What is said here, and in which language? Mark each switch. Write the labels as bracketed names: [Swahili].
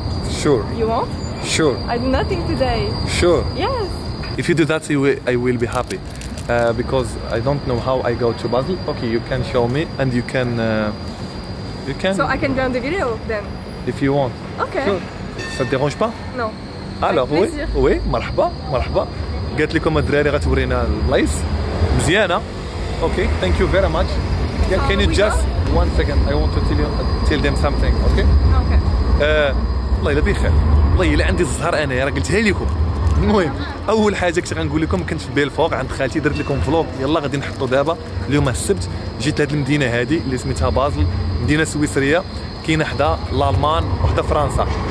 [English] Sure. You want? Sure. I do nothing today. Sure. Yes. If you do that, I will be happy. Because I don't know how I go to Basel. Okay, you can show me and you can... you can. So I can be on the video then? If you want. Okay. Sure. [French] Ça te dérange pas? [English] No. [French] Alors, oui. Oui, [Arabic] مرحبا, مرحبا. قلت لكم الدراري غتورينا البلايص. مزيانة. [English] Okay, thank you very much. Yeah, can you just... Go? One second, I want to tell you, tell them something, okay? Okay. [Arabic] الله يلا بخير الله يلا عندي الزهر انا يا راه قلتها لكم المهم اول حاجه كنت غنقول لكم كنت في بيل فوق عند خالتي درت لكم فلوق يلا غادي نحطو دابا اليوم السبت جيت لهاد المدينه هادي اللي سميتها بازل مدينه سويسريه كاينه حدا لالمان وحده فرنسا